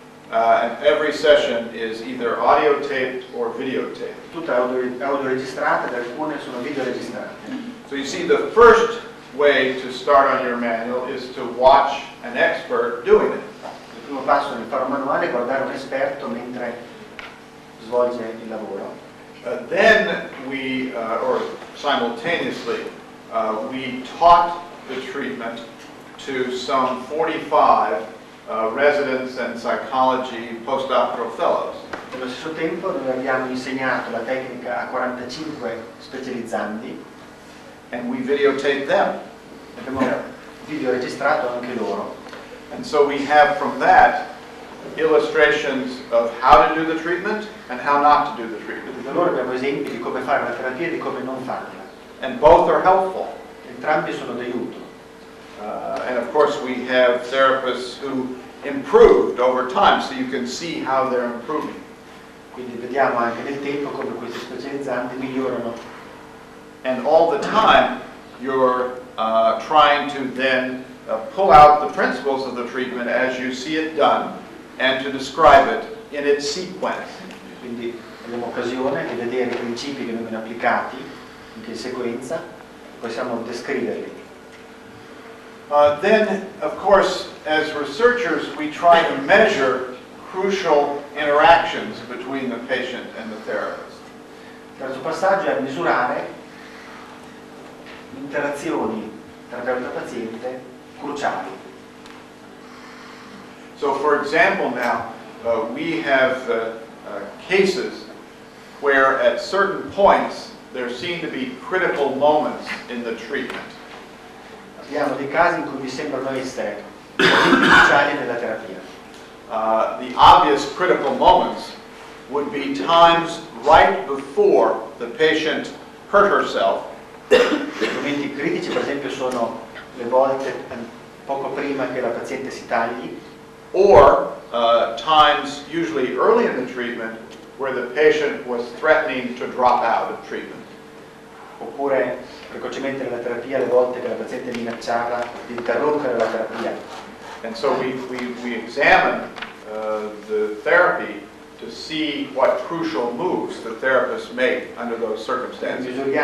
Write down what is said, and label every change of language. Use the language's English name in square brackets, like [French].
[English] And every session is either audio taped or videotaped. [Italian] Tutte audio registrate, alcune sono video registrate. [English] So you see, the first way to start on your manual is to watch an expert doing it. [Italian] Il primo passo nel fare un manuale è guardare un esperto mentre svolge il lavoro. [English] Then we, or simultaneously, we taught the treatment to some 45 residents and psychology postdoctoral fellows. [Italian] Nello stesso tempo noi abbiamo insegnato la tecnica a 45 specializzanti. [English] And we videotaped them. [Italian] Abbiamo video registrato anche loro. [English] And so we have from that illustrations of how to do the treatment and how not to do the treatment. [Italian] Da loro abbiamo esempi di come fare la terapia e di come non farla. [English] And both are helpful. [Italian] Entrambi sono d'aiuto. [English] And of course we have therapists who improved over time, so you can see how they're improving. [Italian] Quindi vediamo anche nel tempo come questi specializzanti migliorano. [English] And all the time you're trying to then pull out the principles of the treatment as you see it done and to describe it in its sequence. [Italian] Quindi abbiamo occasione di vedere i principi che vengono applicati, in che sequenza, possiamo descriverli. [English] Then, of course, as researchers, we try to measure crucial interactions between the patient and the therapist. [Italian] Terzo passaggio è misurare interazioni terapeuta-paziente cruciali. [English] So, for example, now we have cases where, at certain points, there seem to be critical moments in the treatment. [Italian] Abbiamo dei casi in cui mi sembrano essere cruciali nella terapia. [English] The obvious critical moments would be times right before the patient hurt herself. [Italian] I momenti critici, per esempio, sono le volte poco prima che la paziente si tagli. [English] Or times, usually early in the treatment, where the patient was threatening to drop out of treatment. [Italian] Oppure precocemente nella terapia le volte che la paziente minacciava di interrompere la terapia. [English] And so we examine the therapy to see what crucial moves the therapist made under those circumstances.